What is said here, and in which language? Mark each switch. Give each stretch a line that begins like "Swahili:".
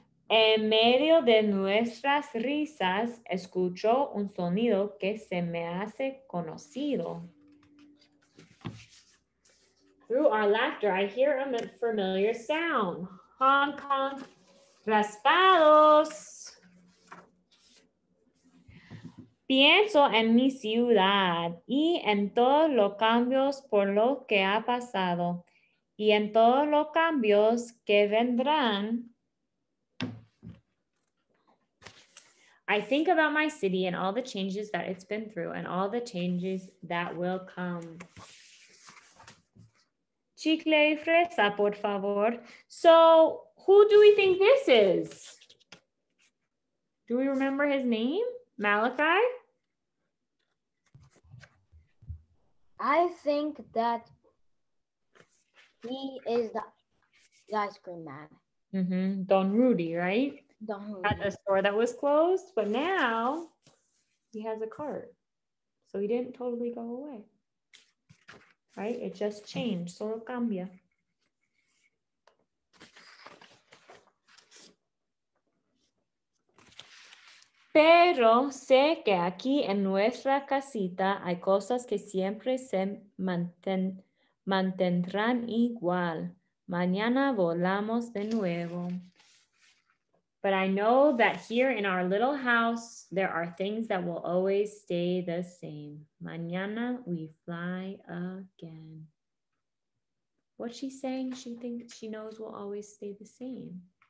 Spanish: En medio de nuestras risas, escucho un sonido que se me hace conocido.
English: Through our laughter, I hear a familiar sound. Honk, honk, raspados.
Spanish: Pienso en mi ciudad y en todos los cambios por lo que ha pasado y en todos los cambios que vendrán.
English: I think about my city and all the changes that it's been through and all the changes that will come.
Spanish: Chicle y fresa, por favor.
English: So, who do we think this is? Do we remember his name? Malachi? I think that he is the ice cream man. Mm-hmm. Don Rudy, right? Don Rudy. At a store that was closed, but now he has a cart. So he didn't totally go away. Right? It just changed.
Spanish: Solo cambia. Pero sé que aquí en nuestra casita hay cosas que siempre se mantendrán igual. Mañana volamos de nuevo.
English: But I know that here in our little house, there are things that will always stay the same. Mañana we fly again. What's she saying? She thinks she knows will always stay the same.